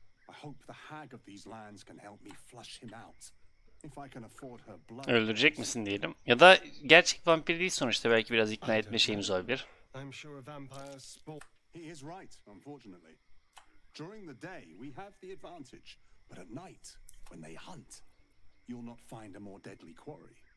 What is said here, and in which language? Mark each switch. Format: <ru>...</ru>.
<en>I hope the hag of these lands can help me flush him out. If I can afford her blood.</en> <tr>Öldürecek misin diyelim? Ya da gerçek vampir değil sonuçta, belki biraz ikna etme şeyimiz olabilir.</tr> <en>I'm sure a vampire spawn. He is right, unfortunately. During the day we have the advantage, but at night when they hunt, you'll not find a more deadly quarry.</en>